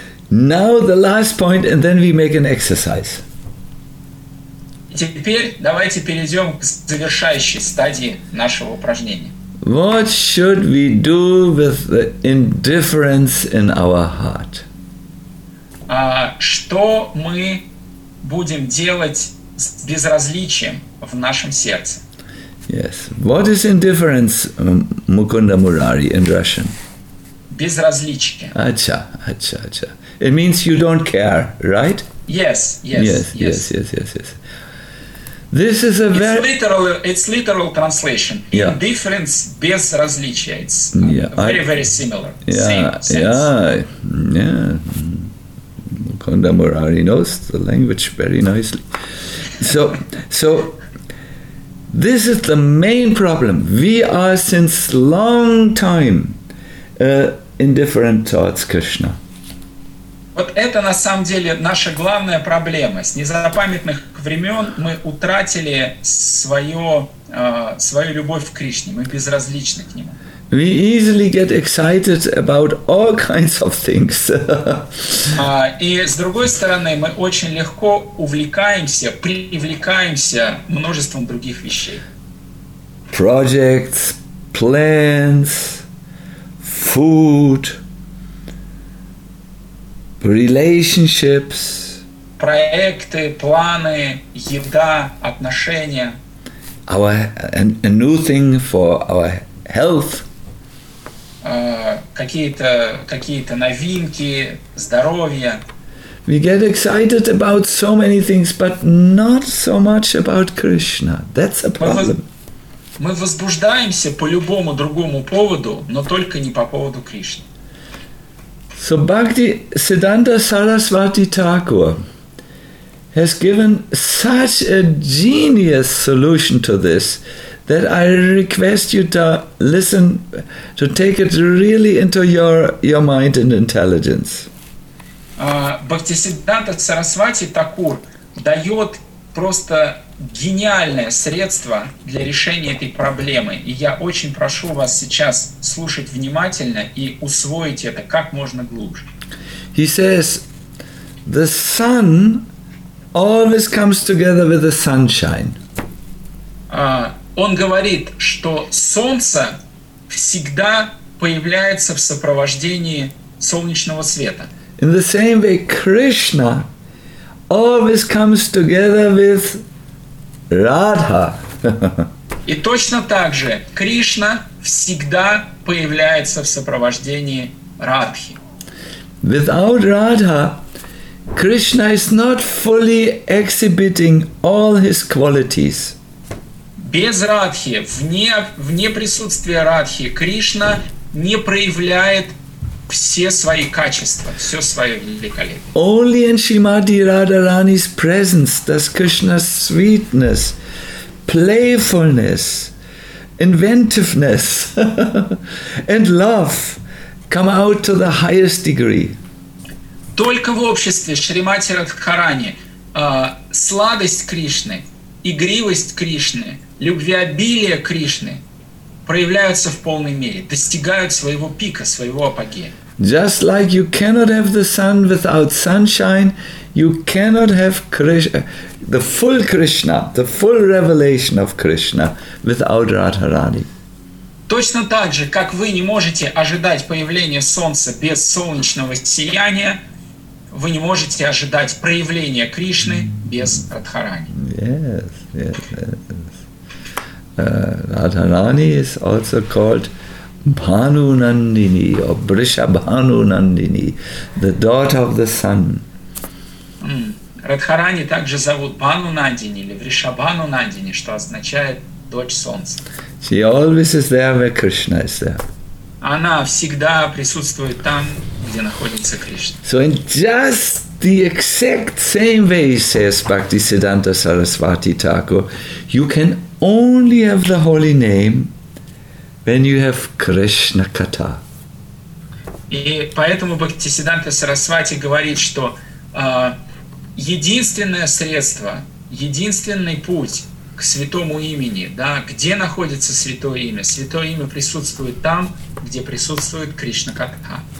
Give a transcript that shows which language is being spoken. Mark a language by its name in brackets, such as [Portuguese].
[English] now the last point, and then we make an exercise. [Russian] Теперь давайте перейдем к завершающей стадии нашего упражнения. [English] What should we do with the indifference in our heart? [Russian] Что мы будем делать с безразличием в нашем сердце? [English] Yes. What is indifference, Mukunda Murari, in Russian? [Russian] Безразличие. [Hindi] Acha, acha, acha. [English] It means you don't care, right? Yes. This is a very... It's literal translation. Yeah. Indifference, безразличие. It's very similar. Yeah. Mukunda Murari knows the language very nicely. So... This is the main problem. We are since long time indifferent towards Krishna. [Russian] Вот это на самом деле наша главная проблема. С незапамятных времен мы утратили свою любовь к Кришне. Мы безразличны к нему. [English] We easily get excited about all kinds of things. [Russian] И с другой стороны, мы очень легко увлекаемся, привлекаемся множеством других вещей. [English] Projects, plans, food, relationships. [Russian] Проекты, планы, еда, отношения. [English] A new thing for our health. [Russian] Какие-то новинки, здоровье. [English] We get excited about so many things, but not so much about Krishna. That's a problem. [Russian] Мы возбуждаемся по любому другому поводу, но только не по поводу Кришны. [English] So Bhakti Siddhanta Sarasvati Thakur has given such a genius solution to this that I request you to listen, to take it really into your mind and intelligence. [Russian] Бхактисиддханта Сарасвати Такур дает просто гениальное средство для решения этой проблемы. И я очень прошу вас сейчас слушать внимательно и усвоить это как можно глубже. [English] He says, the sun always comes together with the sunshine. [Russian] Он говорит, что солнце всегда появляется в сопровождении солнечного света. [English] In the same way, Krishna always comes together with Radha. [Russian] И точно так же Кришна всегда появляется в сопровождении Радхи. [English] Without Radha, Krishna is not fully exhibiting all his qualities. [Russian] Без Радхи, вне присутствия Радхи, Кришна не проявляет все свои качества, все свое великолепие. [English] Only in Shrimati Radharani's presence does Krishna's sweetness, playfulness, inventiveness and love come out to the highest degree. [Russian] Только в обществе Шримати Радхарани сладость Кришны, игривость Кришны, любвеобилие Кришны проявляются в полной мере, достигают своего пика, своего апогея. [English] Just like you cannot have the sun without sunshine, you cannot have Krishna, the full revelation of Krishna without Radharani. [Russian] Точно так же, как вы не можете ожидать появления солнца без солнечного сияния, вы не можете ожидать проявления Кришны без Радхарани. [English] Yes, yes. Radharani is also called Bhanu Nandini or Brishabhanu Nandini, the daughter of the sun. [Russian] Радхарани также зовут Бану Нандини или Вришабану Нандини, что означает дочь солнца. [English] She always is there where Krishna is there. [Russian] Она всегда присутствует там, где находится Кришна. [English] So in just the exact same way, says Bhaktisiddhanta Sarasvati Thakur, you can only have the holy name when you have Krishna Katha. [Russian] И поэтому Бхактисиддханта Сарасвати говорит, что единственное средство, единственный путь к святому имени, да, где находится святое имя? Святое имя присутствует там, где присутствует Кришна Катха.